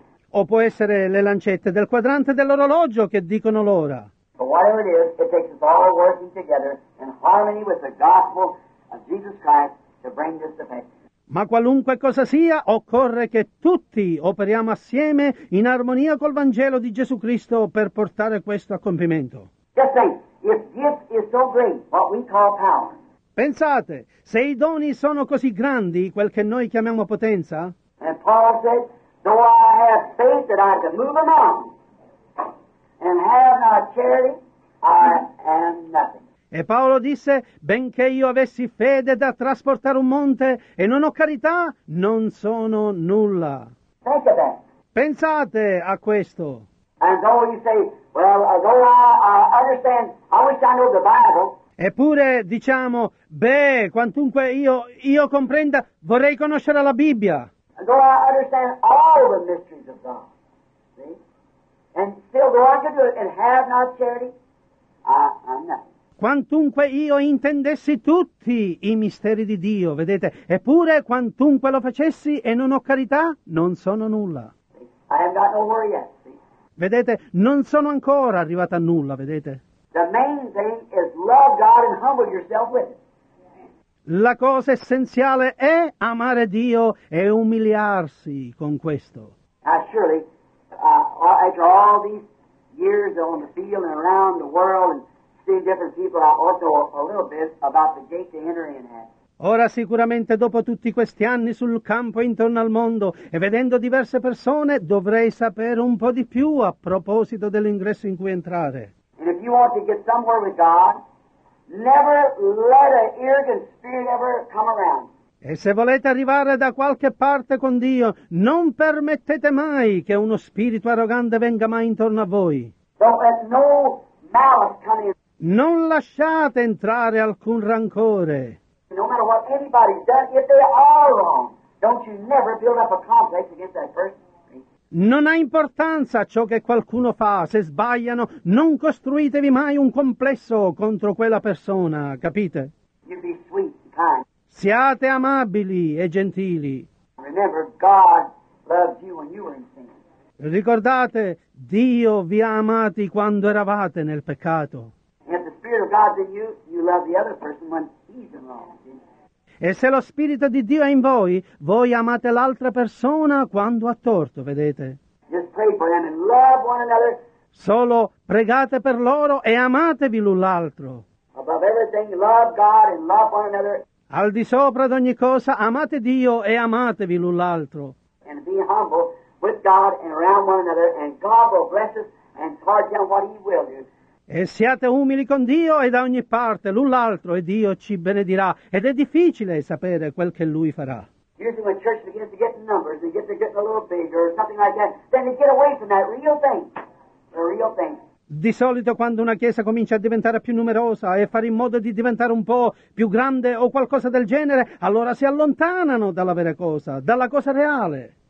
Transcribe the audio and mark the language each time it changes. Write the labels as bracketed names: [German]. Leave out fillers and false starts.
[Italian] O può essere le lancette del quadrante dell'orologio che dicono l'ora. [English] But whatever it is, it takes us all working together in harmony with the gospel of Jesus Christ to bring this to pass. [Italian] Ma qualunque cosa sia, occorre che tutti operiamo assieme in armonia col Vangelo di Gesù Cristo per portare questo a compimento. [English] Just think, if gift is so great, what we call power. [Italian] Pensate, se i doni sono così grandi, quel che noi chiamiamo potenza. [English] And Paul said, though I have faith that I can move a mountain, and have not charity, I am nothing. [Italian] E Paolo disse, benché io avessi fede da trasportare un monte e non ho carità, non sono nulla. [English] Think of that. [Italian] Pensate a questo. [English] And though you say, well, though I understand, I wish I know the Bible. [Italian] Eppure diciamo, beh, quantunque io comprenda, vorrei conoscere la Bibbia. [English] Though I understand all the mysteries of God, see? And still though I could do it and have not charity, I'm nothing. [Italian] Quantunque io intendessi tutti i misteri di Dio, vedete, eppure quantunque lo facessi e non ho carità, non sono nulla. [English] I have got nowhere yet, see? [Italian] Vedete, non sono ancora arrivato a nulla, vedete. [English] The main thing is love God and humble yourself with it. [Italian] La cosa essenziale è amare Dio e umiliarsi con questo. [English] Now surely, after all these years on the field and around the world and seeing different people, I also a little bit about the gate to enter in has. [Italian] Ora sicuramente dopo tutti questi anni sul campo intorno al mondo e vedendo diverse persone, dovrei sapere un po' di più a proposito dell'ingresso in cui entrare. [English] And if you want to get somewhere with God, never let an arrogant spirit ever come around. [Italian] E se volete arrivare da qualche parte con Dio, non permettete mai che uno spirito arrogante venga mai intorno a voi. [English] Don't let no malice come in. [Italian] Non lasciate entrare alcun rancore. [English] No matter what anybody's done, if they're all wrong, don't you never build up a complex against that person. [Italian] Non ha importanza ciò che qualcuno fa, se sbagliano, non costruitevi mai un complesso contro quella persona, capite? [English] You'd be sweet and kind. [Italian] Siate amabili e gentili. [English] Remember, God loved you when you were in sin. [Italian] Ricordate, Dio vi ha amati quando eravate nel peccato. [English] If the Spirit of God's in you, you love the other person when he's in wrong. [Italian] E se lo Spirito di Dio è in voi, voi amate l'altra persona quando ha torto, vedete? [English] Just pray for them and love one another. [Italian] Solo pregate per loro e amatevi l'un l'altro. [English] Above everything, love God and love one another. [Italian] Al di sopra di ogni cosa, amate Dio e amatevi l'un l'altro. [English] And be humble with God and around one another, and God will bless us and charge down what he will do. [Italian] E siate umili con Dio e da ogni parte l'un l'altro e Dio ci benedirà. Ed è difficile sapere quel che Lui farà. [English] Usually when church begins to get numbers and get a little bigger or something like that, then they get away from that real thing. The real thing. [Italian] Di solito quando una chiesa comincia a diventare più numerosa e fare in modo di diventare un po' più grande o qualcosa del genere, allora si allontanano dalla vera cosa, dalla cosa reale.